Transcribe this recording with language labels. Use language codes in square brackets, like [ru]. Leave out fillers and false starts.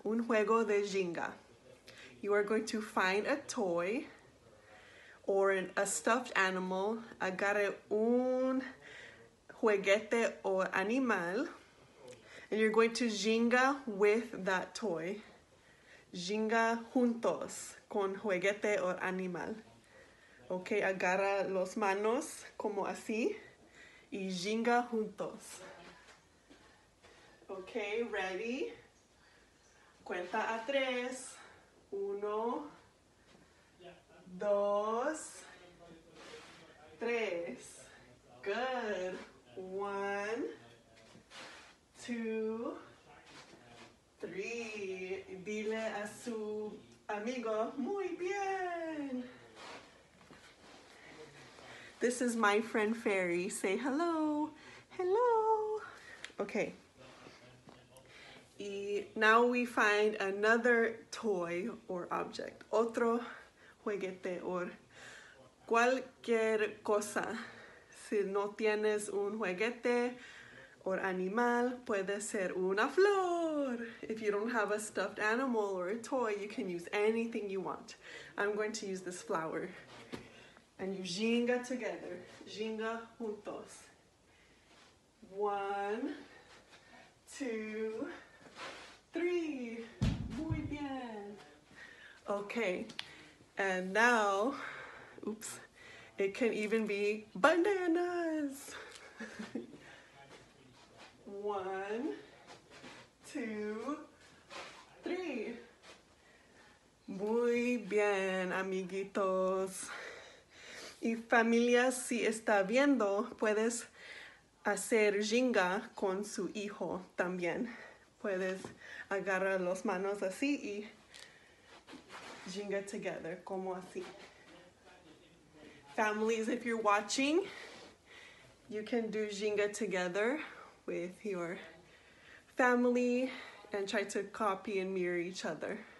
[es] Un juego de ginga. [en] You are going to find a toy or a stuffed animal. [es] Agarre un juguete o animal, [en] and you're going to ginga with that toy. [es] Ginga juntos con juguete o animal. Okay, agarra los manos como así, y ginga juntos. Okay, ready? Cuenta a tres. Uno, dos, tres. Good. [en] One, two, three. [es] Dile a su amigo, muy bien. [en] This is my friend Fairy. Say hello. Hello. Okay. Now we find another toy or object. [es] Otro juguete o cualquier cosa. Si no tienes un juguete o animal, puede ser una flor. [en] If you don't have a stuffed animal or a toy, you can use anything you want. I'm going to use this flower. And you ginga together. [es] Ginga juntos. [en] One, two, three. [es] Muy bien. Okay. [en] And now, oops, it can even be bananas. One, two, three. [es] Muy bien, amiguitos. Y familia, si está viendo, puedes hacer jinga con su hijo también. Puedes agarrar las manos así y jinga together, como así. [en] Families, if you're watching, you can do jinga together with your family and try to copy and mirror each other.